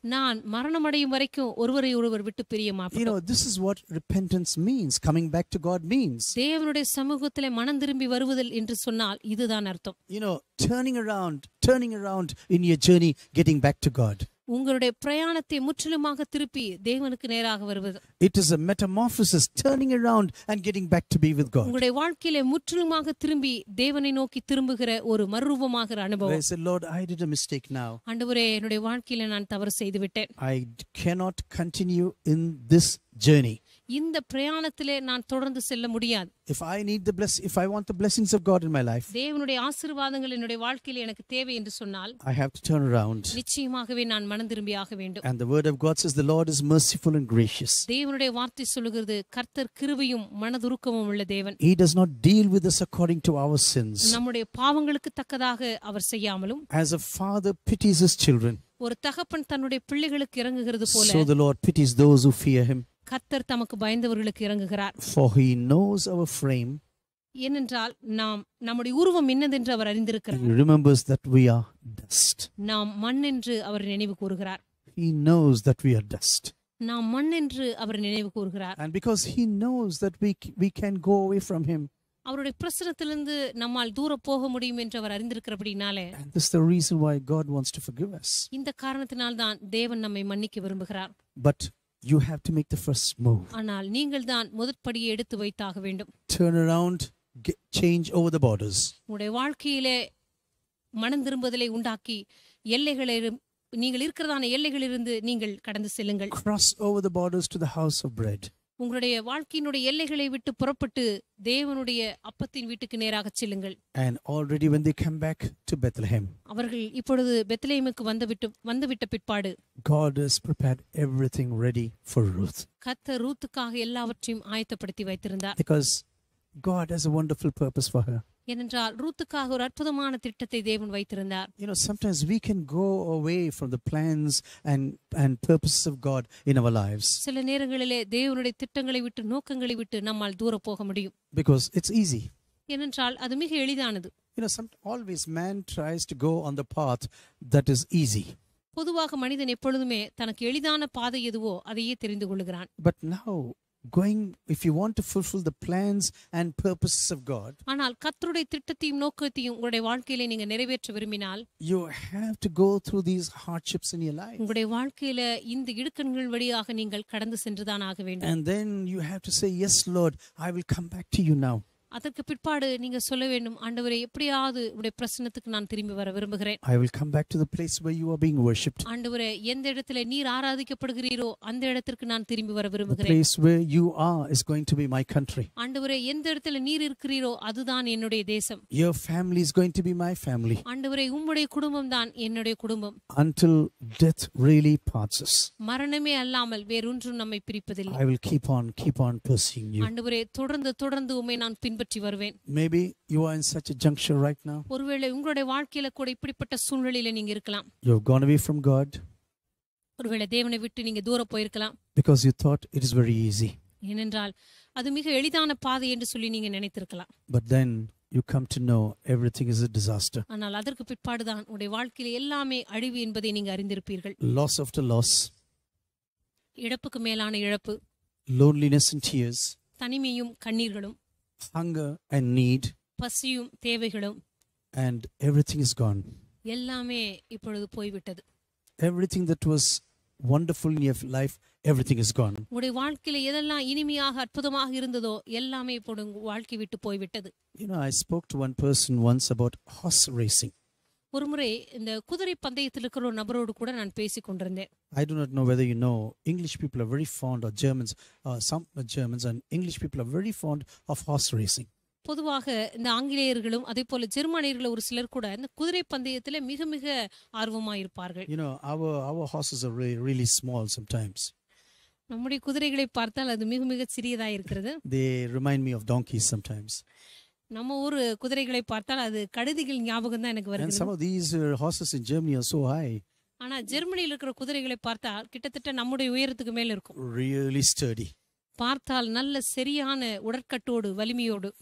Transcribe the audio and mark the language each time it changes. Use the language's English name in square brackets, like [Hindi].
[Tamil] நான் மரணம் அடையும் வரைக்கும் ஒருவரை ஒருவர் விட்டு பிரிய மாட்டேன். [English] You know, this is what repentance means, coming back to God means. [Tamil] தேவனுடைய சமூகத்திலே மனம் திரும்பி வருதல் என்று சொன்னால் இதுதான் அர்த்தம். [English] You know, turning around in your journey, getting back to God. [Tamil] உங்களுடைய பிரயாணத்தை முற்றிலுமாக திருப்பி தேவனுக்கு நேராக வருவது. [English] It is a metamorphosis, turning around and getting back to be with God. [Tamil] உங்களுடைய வாழ்க்கையிலே முற்றிலுமாக திரும்பி தேவனை நோக்கி திரும்புகிற ஒரு மறுரூபமாகிற அனுபவம். [English] Say, Lord, I did a mistake now. [Tamil] ஆண்டவரே, என்னுடைய வாழ்க்கையிலே நான் தவறு செய்து விட்டேன். [English] I cannot continue in this journey. [Tamil] இந்த பிரயாணத்திலே நான் தொடர்ந்து செல்ல முடியாது. [English] If I need the bless, if I want the blessings of God in my life, [Tamil] தேவனுடைய ஆசீர்வாதங்கள் என்னுடைய வாழ்க்கையில் எனக்கு தேவை என்று சொன்னால், [English] I have to turn around. [Tamil] நிச்சயமாகவே நான் மனம் திரும்பி ஆக வேண்டும். [English] And the word of God says the Lord is merciful and gracious. [Tamil] தேவனுடைய வார்த்தை சொல்கிறது கர்த்தர் கிருபையும் மனதுருக்கமும் உள்ள தேவன். [English] He does not deal with us according to our sins. [Tamil] நம்முடைய பாவங்களுக்கு தக்கதாக அவர் செய்யாமலும், [English] As a father pities his children, [Tamil] ஒரு தகப்பன் தன்னுடைய பிள்ளைகளுக்கு இரங்குகிறது போல, [English] So the Lord pities those who fear him. [Tamil] கர்த்தர் தமக்கு பயந்தவர்களுக்கு இரங்குகிறார். [English] For he knows our frame. [Tamil] ஏனென்றால் நாம் நம்முடைய உருவம் என்னதென்று அவர் அறிந்திருக்கிறார். [English] He remembers that we are dust. [Tamil] நாம் மண் என்று அவர் நினைவு கூறுகிறார். [English] He knows that we are dust. [Tamil] நாம் மண் என்று அவர் நினைவு கூறுகிறார். [English] And because he knows that we can go away from him. [Tamil] அவருடைய பிரசன்னத்திலிருந்து நம்மால் தூர போக முடியும் என்று அவர் அறிந்திருக்கிறபடினாலே, [English] And this is the reason why God wants to forgive us. [Tamil] இந்த காரணத்தினால் தான் தேவன் நம்மை மன்னிக்க விரும்புகிறார். [English] But you have to make the first move. [Tamil] ஆனால் நீங்கள் தான் முதற்படியை எடுத்து வைத்தாக வேண்டும். [English] Turn around, change over the borders. [Tamil] உங்கள் வாழ்க்கையிலே மனம் திரும்புதலை உண்டாக்கி எல்லைகளை நீங்கள் இருக்கிறதான எல்லைகளிலிருந்து நீங்கள் கடந்து செல்லுங்கள். [English] Cross over the borders to the house of bread. [Tamil] உங்களுடைய வாழ்க்கையினுடைய எல்லைகளை விட்டு புறப்பட்டு தேவனுடைய அப்பத்தின் வீட்டுக்கு நேராக செல்லுங்கள். [English] And already when they come back to Bethlehem. [Tamil] அவர்கள் இப்பொழுது பெத்லகேமுக்கு வந்துவிட்ட பிற்பாடு, [English] God has prepared everything ready for Ruth. [Tamil] கர்த்தர் ரூத்துக்காக எல்லாவற்றையும் ஆயத்தப்படுத்தி வைத்திருந்தார். [English] Because God has a wonderful purpose for her. [Tamil] ஏனென்றால் ரூத்துக்காக ஒரு அற்புதமான திட்டத்தை தேவன் வைத்திருந்தார். [English] You know, sometimes we can go away from the plans and purposes of God in our lives. [Tamil] சில நேரங்களிலே தேவனுடைய திட்டங்களை விட்டு நோக்கங்களை விட்டு நம்மால் தூர போக முடியும். [English] Because it's easy. [Tamil] ஏனென்றால் அது மிக எளிதானது. [English] You know, always man tries to go on the path that is easy. [Tamil] பொதுவாக மனிதன் எப்பொழுதுமே தனக்கு எளிதான பாதை எதுவோ அதையே தெரிந்து கொள்கிறான். [English] But now going, if you want to fulfill the plans and purposes of God, [Tamil] ஆனால் கர்த்தருடைய திட்டத்தையும் நோக்கத்தையும் உங்களுடைய வாழ்க்கையிலே நீங்க நிறைவேற்ற விரும்பினால், [English] you have to go through these hardships in your life. [Tamil] உங்களுடைய வாழ்க்கையிலே இந்த இடுக்கண்கள் வழியாக நீங்கள் கடந்து சென்று தான் ஆக வேண்டும். [English] And then you have to say, yes Lord, I will come back to you now. [Tamil] அதற்கு பிற்பாடு நீங்க சொல்ல வேண்டும், ஆண்டவரே, எப்படியாவது உம்முடைய பிரசன்னத்துக்கு நான் திரும்பி வர விரும்புகிறேன். [English] I will come back to the place where you are being worshiped. [Tamil] ஆண்டவரே, எந்த இடத்துல நீர் ஆராதிக்கப்படுகிறீரோ அந்த இடத்துக்கு நான் திரும்பி வர விரும்புகிறேன். [English] The place where you are is going to be my country. [Tamil] ஆண்டவரே, எந்த இடத்துல நீர் இருக்கிறீரோ அதுதான் என்னுடைய தேசம். [English] Your family is going to be my family. [Tamil] ஆண்டவரே, உம்முடைய குடும்பம் தான் என்னுடைய குடும்பம். [English] Until death really parts us. [Tamil] மரணமே அல்லாமல் வேற ஒன்றும் நம்மை பிரிப்பதில்லை. [English] I will keep on pursuing you. [Tamil] ஆண்டவரே, தொடர்ந்து உம்மை நான் பின்பற்ற [English] Maybe you are in such a juncture right now. [Tamil] ஒருவேளை உங்களுடைய வாழ்க்கையில கூட இப்படிப்பட்ட சூழ்நிலையில நீங்க இருக்கலாம். [English] You have gone away from God. [Tamil] ஒருவேளை தேவனை விட்டு நீங்க தூர போயிருக்கலாம். [English] Because you thought it is very easy. [Tamil] ஏனென்றால் அது மிக எளிதான பாதை என்று சொல்லி நீங்க நினைத்திருக்கலாம். [English] But then you come to know everything is a disaster. [Tamil] ஆனால் அதற்கு பிற்பாடு தான் உங்களுடைய வாழ்க்கையில எல்லாமே அழிவு என்பதை நீங்க அறிந்திருப்பீர்கள். [English] Loss after loss. [Tamil] இழப்புக்கு மேலான இழப்பு. [English] Loneliness and tears. [Tamil] தனிமையும் கண்ணீர்களும். [English] Hunger and need. [Tamil] பசியும் தேவைகளும். [English] And everything is gone. [Tamil] எல்லாமே இப்பொழுது போய்விட்டது. [English] Everything that was wonderful in your life, everything is gone. [Tamil] உடைய வாழ்க்கையில எதெல்லாம் இனிமையாக அற்புதமாக இருந்ததோ எல்லாமே இப்பொழுது வாழ்க்கை விட்டு போய்விட்டது. [English] You know, I spoke to one person once about horse racing. [Tamil] ஒருமுறை இந்த குதிரை பந்தயத்தில் இருக்கிற ஒரு நபரோடு கூட நான் பேசிக் கொண்டிருந்தேன். [English] I do not know whether you know, English people are very fond of Germans, some Germans and English people are very fond of horse racing. [Tamil] பொதுவாக இந்த ஆங்கிலேயர்களும் அதே போல ஜெர்மானியர்கள் ஒரு சிலர் கூட இந்த குதிரை பந்தயத்தில் மிக மிக ஆர்வமாக இருப்பார்கள். [English] You know, our horses are really, really small sometimes. [Tamil] நம்முடைய குதிரைகளை பார்த்தால் அது மிக மிக சிறியதா இருக்கிறது. [English] They remind me of donkeys sometimes. [Tamil] நம்ம ஒரு குதிரைகளை பார்த்தால் அது கழுதைகள் ஞாபகம் தான் எனக்கு வருது. [English] And some of these horses in Germany are so high. [Tamil] ஆனா ஜெர்மனியில் இருக்கிற குதிரைகளை பார்த்தால் கிட்டத்தட்ட நம்முடைய உயரத்துக்கு மேல் இருக்கும். [English] Really sturdy. [Tamil] பார்த்தால் நல்ல சரியான உடற்கட்டோடு வலிமையோடு.